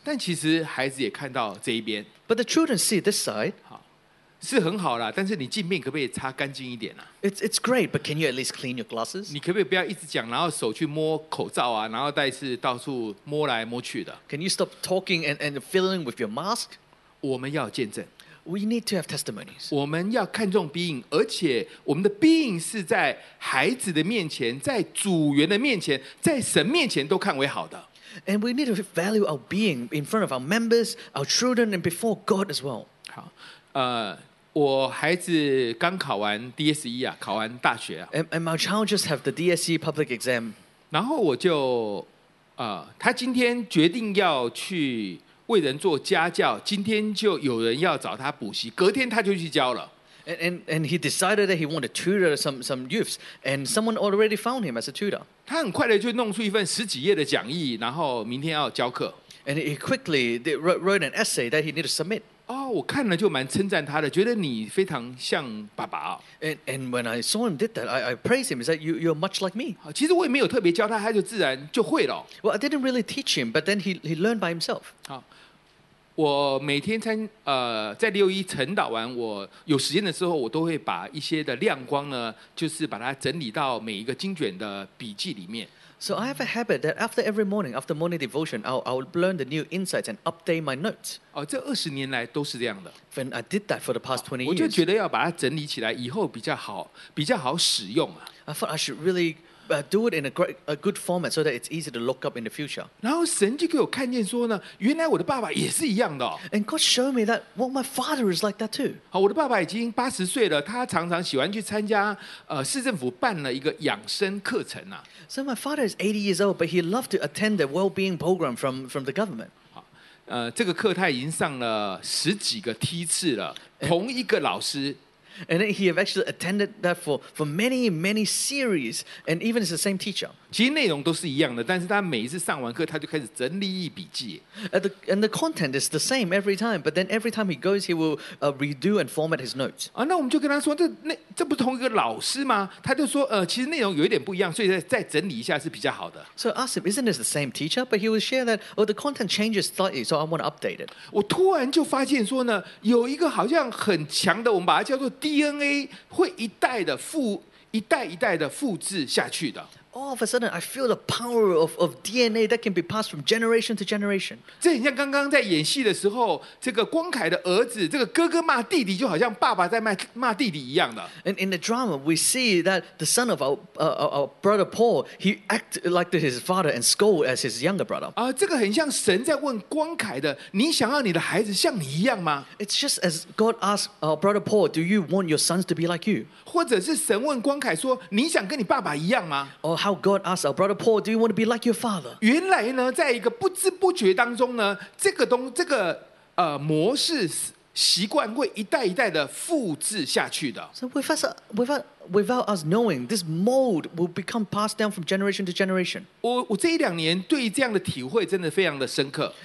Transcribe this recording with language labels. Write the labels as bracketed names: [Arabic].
[Chinese] 但其实孩子也看到这一边。 [English] But the children see this side. [Chinese] 好，是很好啦，但是你镜片可不可以擦干净一点啊？ [English] It's great, but can you at least clean your glasses? [Chinese] 你可不可以不要一直讲，然后手去摸口罩啊，然后再是到处摸来摸去的 [English] ？Can you stop talking and fiddling with your mask? [Chinese] 我们要见证。 [English] We need to have testimonies. [Chinese] 我们要看重 being， 而且我们的 being 是在孩子的面前，在主员的面前，在神面前都看为好的。 [English] And we need to value our being in front of our members, our children, and before God as well. [Chinese] 好，我孩子刚考完 DSE 啊，考完大学啊。 [English] And my child just have the DSE public exam. [Chinese] 然后我就，他今天决定要去。为人做家教，今天就有人要找他补习，隔天他就去教了。 [English] And he decided that he wanted to tutor some youths, and someone already found him as a tutor. [Chinese] 他很快的就弄出一份十几页的讲义，然后明天要教课。 [English] And he quickly wrote an essay that he needed to submit. [Chinese] 哦，我看了就蛮称赞他的，觉得你非常像爸爸。 [English] And when I saw him did that, I praised him. He said, "You're much like me." [Chinese] 其实我也没有特别教他，他就自然就会了。 [English] Well, I didn't really teach him, but then he learned by himself. [Chinese] 好。我每天在六一晨祷完，我有时间的时候，我都会把一些的亮光呢，就是把它整理到每一个经卷的笔记里面。 [English] So I have a habit that after every morning, after morning devotion, I'll learn the new insights and update my notes. [Chinese] 哦，这二十年来都是这样的。 [English] And I did that for the past 20 years. [Chinese] 我就觉得要把它整理起来，以后比较好使用啊。 [English] I thought I should really. Do it in a good format so that it's easy to look up in the future. [Chinese] 然后神就给我看见说呢，原来我的爸爸也是一样的。 [English] And God showed me that well, my father is like that too. [Chinese] 好，我的爸爸已经八十岁了，他常常喜欢去参加市政府办了一个养生课程呐。 [English] So my father is 80 years old, but he loved to attend the well-being program from the government. [Chinese] 好，这个课他已经上了十几个梯次了，同一个老师。 [English] And then he have actually attended that for many, many series, and even is the same teacher. [Chinese] 其实内容都是一样的，但是他每一次上完课，他就开始整理笔记。 [English] And the content is the same every time, but then every time he goes, he will redo and format his notes. [Chinese] 啊，那我们就跟他说，这不同一个老师吗？他就说，其实内容有一点不一样，所以再整理一下是比较好的。 [English] So I asked him, isn't this the same teacher? But he will share that, oh, the content changes slightly, so I want to update it. [Chinese] 我突然就发现说呢，有一个好像很强的，我们把它叫做。 DNA 会一代的复一代一代的复制下去的。 [English] All of a sudden, I feel the power of DNA that can be passed from generation to generation. [Chinese] 这很像刚刚在演戏的时候，这个光凯的儿子，这个哥哥骂弟弟，就好像爸爸在骂弟弟一样的。 [English] And in the drama, we see that the son of our brother Paul, he act like his father and scold as his younger brother. [Chinese] 啊，这个很像神在问光凯的，你想要你的孩子像你一样吗 [English] ？It's just as God asked our brother Paul, "Do you want your sons to be like you?" [Chinese] 或者是神问光凯说，你想跟你爸爸一样吗？哦。 [English] How God asked our brother Paul, "Do you want to be like your father?" [Chinese] 原来呢，在一个不知不觉当中呢，这个模式习惯会一代一代的复制下去的。 [English] So without us knowing, this mold will become passed down from generation to generation. [Chinese] 我这一两年对这样的体会真的非常的深刻。